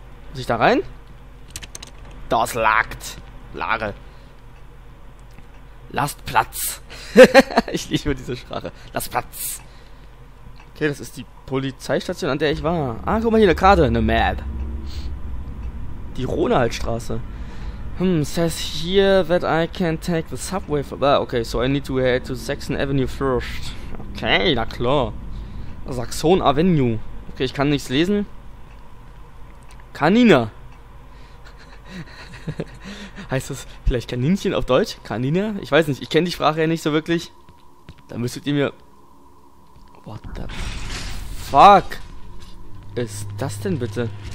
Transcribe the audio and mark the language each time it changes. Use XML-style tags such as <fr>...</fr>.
<de>Muss ich da rein? Das lagt. Lage. Lasst Platz. Ich liebe diese Sprache. Lasst Platz. Okay, das ist die Polizeistation, an der ich war. Ah, guck mal hier, eine Karte. Eine Map. Die Ronaldstraße.</de> <en>Says here that I can take the subway for... Ah, okay, so I need to head to Saxon Avenue first.</en> <de>Okay, na klar. Saxon Avenue. Okay, ich kann nichts lesen. Kanina. Heißt das vielleicht Kaninchen auf Deutsch? Kanina? Ich weiß nicht, ich kenne die Sprache ja nicht so wirklich. Da müsstet ihr mir...</de> <en>What the fuck?</en> <de>Ist das denn bitte?</de>